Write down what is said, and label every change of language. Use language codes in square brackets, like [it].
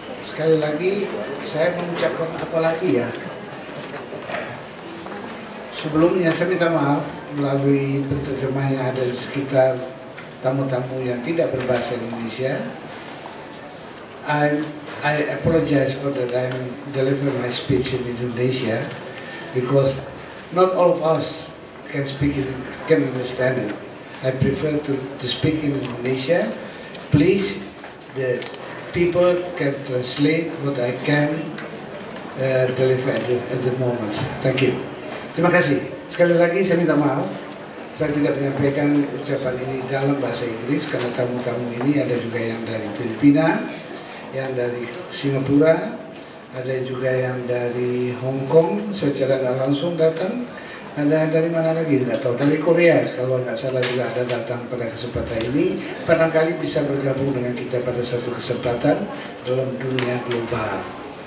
[id] Sekali lagi saya mengucapkan apa lagi ya. Sebelumnya saya minta maaf melalui penerjemah yang ada di sekitar tamu-tamu yang tidak berbahasa Indonesia. [en] I apologize for that I'm delivering my speech in Indonesia because not all of us can speak in, can understand it. I prefer to speak in Indonesia. Please, the people can translate what I can deliver at the moment. Thank you. [id] Terima kasih. Sekali lagi saya minta maaf. Saya tidak menyampaikan ucapan ini dalam bahasa Inggris karena tamu-tamu ini ada juga yang dari Filipina, yang dari Singapura, ada juga yang dari Hong Kong secara nggak langsung datang, ada dari mana lagi nggak tahu, dari Korea kalau nggak salah juga ada datang pada kesempatan ini, barangkali bisa bergabung dengan kita pada satu kesempatan dalam dunia global.